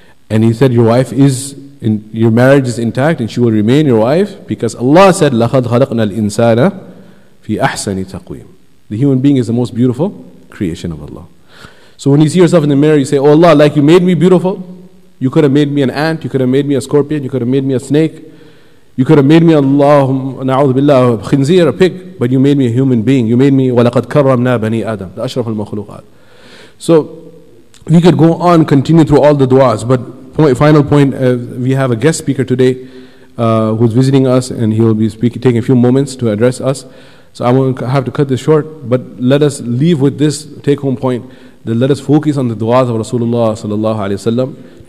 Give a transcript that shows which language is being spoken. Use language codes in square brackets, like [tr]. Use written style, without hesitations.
[en] And he said, your wife is, in, your marriage is intact and she will remain your wife because Allah said, [ar] لَخَدْ خَلَقْنَا الْإِنسَانَ فِي أَحْسَنِ تَقْوِيمٍ. [en] The human being is the most beautiful creation of Allah. So when you see yourself in the mirror, you say, oh Allah, like you made me beautiful, you could have made me an ant, you could have made me a scorpion, you could have made me a snake, you could have made me, Allahumma na'udhu billah, a khinzir, a pig, but you made me a human being. You made me, [ar] وَلَقَدْ كَرَّمْنَا بَنِي آدَمْ, the أَشْرَفُ الْمَخْلُوقَاتِ. [en] So we could go on, continue through all the du'as, but final point, we have a guest speaker today who's visiting us, and he'll be speaking, taking a few moments to address us. So I won't have to cut this short, but let us leave with this take-home point, that let us focus on the du'as of Rasulullah sallallahu alayhi wa sallam.